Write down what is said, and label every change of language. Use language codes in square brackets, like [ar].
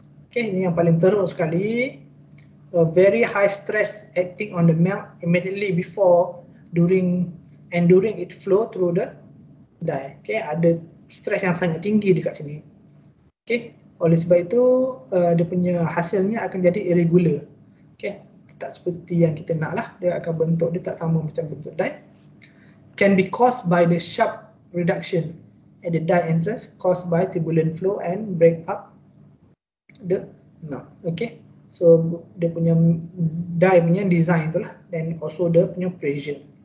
[ms] Okay, ini yang paling teruk sekali. [en] A very high stress acting on the melt immediately before, during and during it flow through the die. [ms] Okay, ada stress yang sangat tinggi dekat sini. Okay, oleh sebab itu dia punya hasilnya akan jadi irregular. Okay, tak seperti yang kita nak lah. Dia akan bentuk dia tak sama macam bentuk die. [en] Can be caused by the sharp reduction at the die entrance caused by turbulent flow and break up the melt. [ms] Okay, so dia punya die punya design tu lah, then also dia punya pressure.